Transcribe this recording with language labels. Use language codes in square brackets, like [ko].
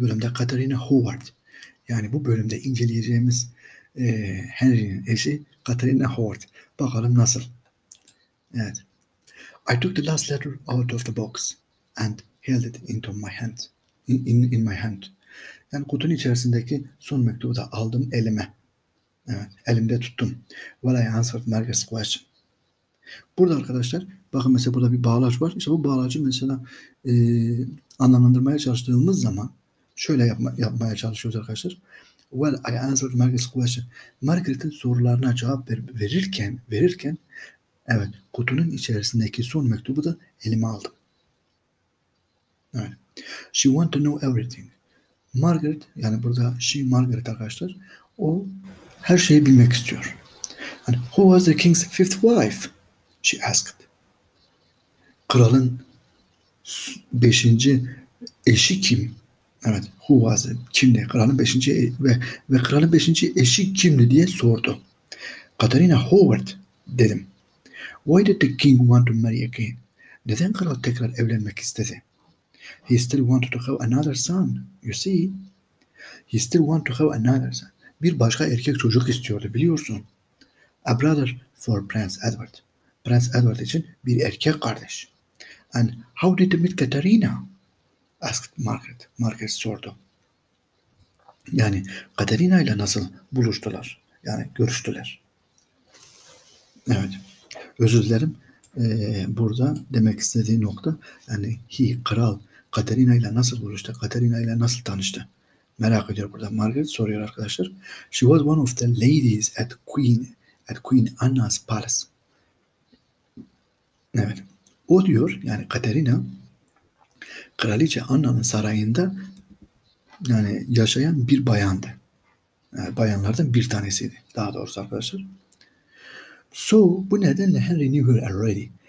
[tr] bölümde Catherine Howard, yani bu bölümde inceleyeceğimiz Henry'nin eşi Catherine Howard. Bakalım nasıl? Evet. [en] I took the last letter out of the box and held it into my hand. In my hand. [tr] Yani kutunun içerisindeki son mektubu da aldım elime. Evet, elimde tuttum. [en] While I answered Margaret's question. [tr] Burada arkadaşlar, bakın mesela burada bir bağlaç var. İşte bu bağlacı mesela anlamlandırmaya çalıştığımız zaman şöyle yapmaya çalışıyoruz arkadaşlar. [en] Well, I answered Margaret's question. [tr] Margaret'in sorularına cevap verirken evet, kutunun içerisindeki son mektubu da elime aldım. Evet. [en] She wanted to know everything. [tr] Margaret, yani burada she Margaret arkadaşlar, o her şeyi bilmek istiyor. [en] And who was the king's fifth wife? She asked. [tr] Kralın beşinci eşi kim? Evet, [en] who was it? [tr] Kimdi? Kralın beşinci ve kralın beşinci eşi kimdi diye sordu. Catherine Howard dedim. [en] Why did the king want to marry again? [tr] Neden kral tekrar evlenmek istedi? [en] He still wanted to have another son, you see. He still wanted to have another son. [tr] Bir başka erkek çocuk istiyordu, biliyorsun. [en] A brother for Prince Edward. [tr] Prince Edward için bir erkek kardeş. [en] And how did you meet Catherine? Asked Margaret. [tr] Margaret sordu. Yani Catherine ile nasıl buluştular? Yani görüştüler. Evet. Özür dilerim. Burada demek istediği nokta, yani kral Catherine ile nasıl buluştu? Catherine ile nasıl tanıştı? Merak ediyor burada. Margaret soruyor arkadaşlar. [en] She was one of the ladies at Queen Anna's palace. [tr] Evet. O diyor, yani Catherine, Kraliçe Anna'nın sarayında yani yaşayan bir bayandı. Yani bayanlardan bir tanesiydi. Daha doğrusu arkadaşlar. So, bu nedenle [en] Henry knew her already.